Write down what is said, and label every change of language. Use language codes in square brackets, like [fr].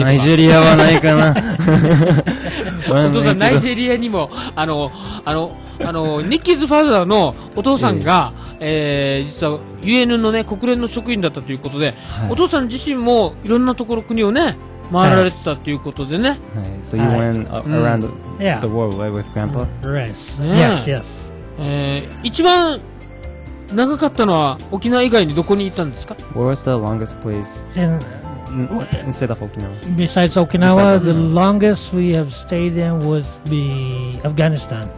[ja] ナイジェリアはないかな。お父さんナイジェリアにもあのニッキーズファーザーのお父さんが、実は UN の、ね、国連の職員だったということで、はい、お父さん自身もいろんなところ国をね回られてたということでね、 [en] はい、So you went around the world with grandpa? Yes, yes, yes. [ja] 一番長かったのは沖縄以外にどこに行ったんですか？ [en] Where was the longest place instead of Okinawa? Besides Okinawa, the longest we have stayed in was the Afghanistan.